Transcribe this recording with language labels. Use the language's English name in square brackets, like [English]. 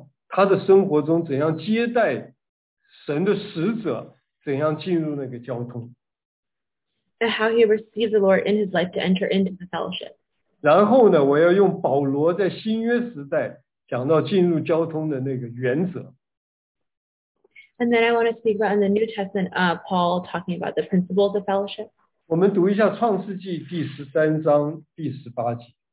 [Chinese] 他的生活中怎样接待神的使者，怎样进入那个交通。 [English] And how he received the Lord in his life to enter into the fellowship. [Chinese] 然后呢, 我要用保罗在新约时代讲到进入交通的那个原则。 [English] And then I want to speak about in the New Testament, Paul talking about the principles of fellowship. [Chinese] 我们读一下创世纪第13章第18节。